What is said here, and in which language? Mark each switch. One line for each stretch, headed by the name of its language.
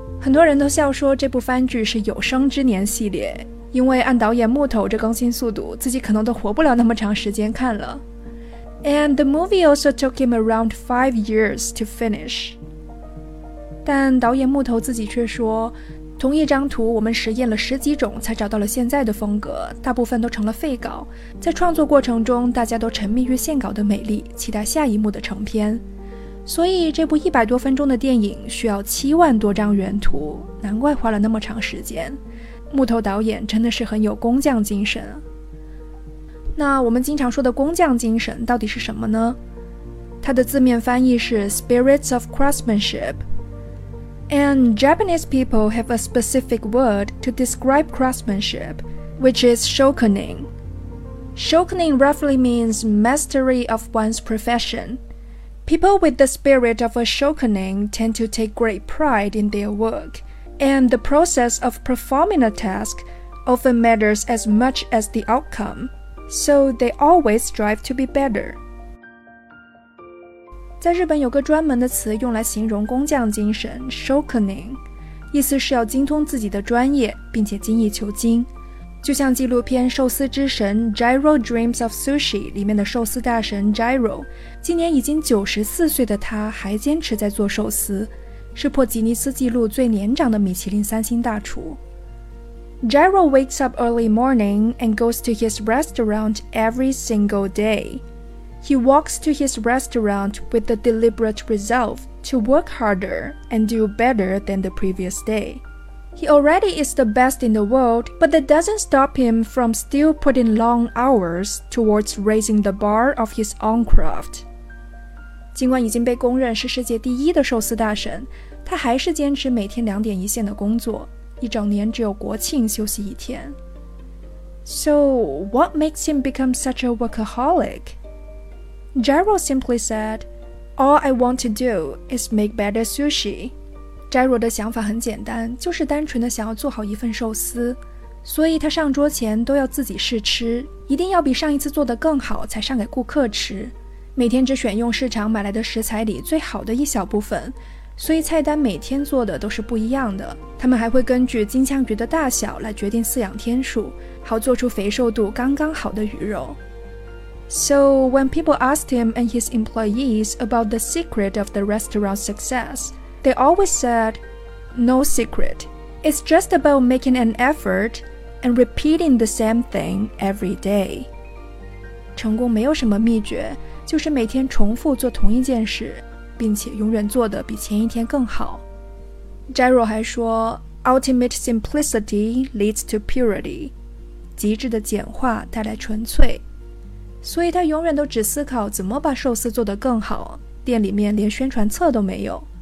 Chinese: 很多人都笑说这部番剧是有生之年系列，因为按导演木头这更新速度，自己可能都活不了那么长时间看了。
English: And the movie also took him around 5 years to finish.
Chinese: 但导演木头自己却说，同一张图我们实验了十几种才找到了现在的风格，大部分都成了废稿。在创作过程中，大家都沉迷于现稿的美丽，期待下一幕的成片。所以这部100多分钟的电影需要7万多张原图，难怪花了那么长时间。木头导演真的是很有工匠精神。那我们经常说的工匠精神到底是什么呢？它的字面翻译是
English: spirits of craftsmanship. And Japanese people have a specific word to describe craftsmanship, which is shokunin. Shokunin roughly means mastery of one's profession. People with the spirit of a shokunin tend to take great pride in their work, and the process of performing a task often matters as much as the outcome. So they always strive to be better.
Chinese: 在日本有个专门的词用来形容工匠精神 shokunin, 意思是要精通自己的专业并且精益求精。就像纪录片《寿司之神 Gyro Dreams of Sushi》里面的寿司大神 Gyro, 今年已经94岁的他还坚持在做寿司，是破吉尼斯纪录最年长的米其林三星大厨。
English: Gyro wakes up early morning and goes to his restaurant every single day. He walks to his restaurant with the deliberate resolve to work harder and do better than the previous day. He already is the best in the world, but that doesn't stop him from still putting long hours towards raising the bar of his own craft.
Chinese: 尽管已经被公认是世界第一的寿司大神，他还是坚持每天2点1线的工作。一整年只有国庆休息一天。
English: So, what makes him become such a workaholic? Gyro simply said, All I want to do is make better sushi.
Chinese: Gyro 的想法很简单，就是单纯的想要做好一份寿司，所以他上桌前都要自己试吃，一定要比上一次做得更好才上给顾客吃。每天只选用市场买来的食材里最好的一小部分，所以菜单每天做的都是不一样的，他们还会根据金枪鱼的大小来决定饲养天数，好做出肥瘦度刚刚好的鱼肉。
English: So when people asked him and his employees about the secret of the restaurant's success, they always said, No secret, it's just about making an effort and repeating the same thing every day.
Chinese: 成功没有什么秘诀，就是每天重复做同一件事，并且永远做得比前一天更好。
English: Gyro
Chinese: 还说
English: Ultimate simplicity leads to purity.
Chinese: 极致的简化带来纯粹，所以他永远都只思考怎么把寿司做得更好，店里面连宣传册都没有。